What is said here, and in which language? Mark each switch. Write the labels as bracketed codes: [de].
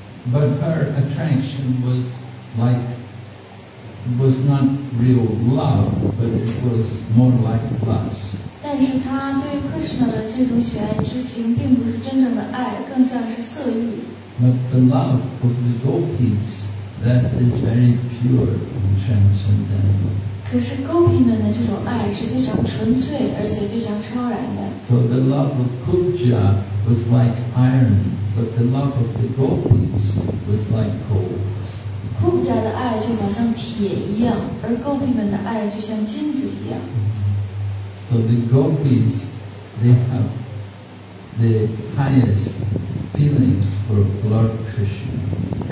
[en] But her attraction was like was not real love, but it was more like lust. [zh] 但是她对 Krishna 的这种喜爱之情，并不是真正的爱，更像是色欲。 [en] But the love of the gopis that is very pure. Transcendental. [zh] 可是 gopi 们的这种爱是非常纯粹而且非常超然的。 [en] So the love of Kuja was like iron, but the love of the gopis was like gold. [zh] Kuja 的爱就好像铁一样，而 gopi 们的爱就像金子一样。 [en] So the gopis, they have the highest feelings for Lord Krishna.